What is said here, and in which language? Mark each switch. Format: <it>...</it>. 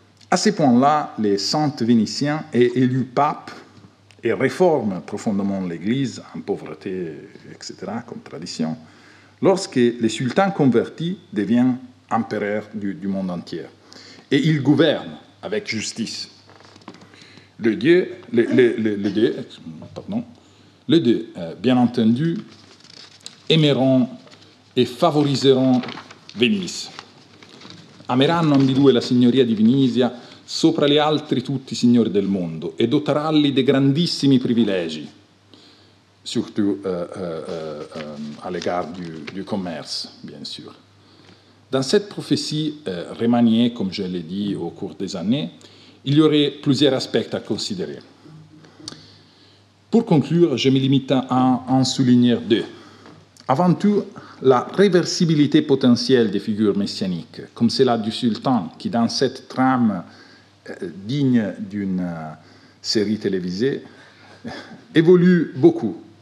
<fr>À ce point-là, les saints vénitiens sont élus papes et réforme profondément l'Église, en pauvreté, etc., comme tradition, lorsque les sultans convertis deviennent empereurs du monde entier. Et ils gouvernent avec justice. Les deux, bien entendu, aimeront et favoriseront Venise.</fr> <it>Ameranno ambidue la signoria di Venezia sopra gli altri tutti i signori del mondo e dotarli di grandissimi privilegi, soprattutto</it> <fr>a l'égard du commerce, bien sûr. Dans cette prophétie remaniée, comme je l'ai dit au cours des années, il y aurait plusieurs aspects à considérer. Pour conclure, je me limite à en souligner deux. Avant tout, la réversibilité potentielle des figures messianiques, comme celle du sultan, qui dans cette trame digne d'une série télévisée, évolue beaucoup.</fr>